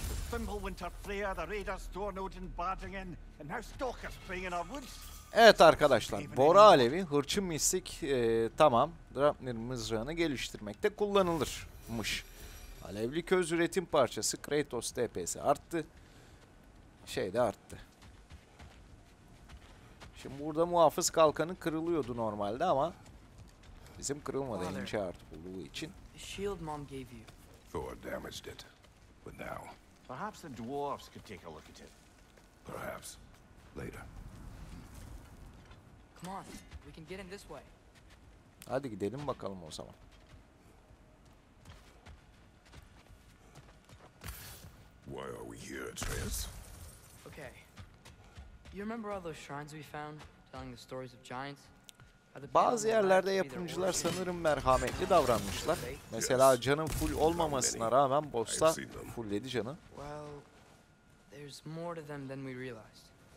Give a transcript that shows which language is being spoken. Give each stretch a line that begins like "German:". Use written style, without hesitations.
English: Fimble Winter Flare, the Raiders, Thorn Odin, Bardingen, and now Stalker's playing in our woods.
Turkish: Evet arkadaşlar, Bora Alevi, Hırçın Mistik, tamam, Drapnir mızrağını geliştirmekte kullanılırmış. Alevli köz üretim parçası, Kratos DPS'i arttı. Şey de arttı. Şimdi burada muhafız kalkanı kırılıyordu normalde ama bizim kırılmadı, ince artık olduğu için.
English: Shield mom gave you. Thor damaged it. But now, perhaps the dwarves could take a look at it. Perhaps later. Come on, we can get in this way.
Turkish: Hadi gidelim bakalım o zaman.
English: Why are we here, Atreus? Okay. You remember all those shrines we found, telling the stories of giants?
Turkish: Bazı yerlerde yapımcılar sanırım merhametli davranmışlar. Mesela canın full olmamasına rağmen boss'a fulledi canı.
English: Well, there's more to them than we realized.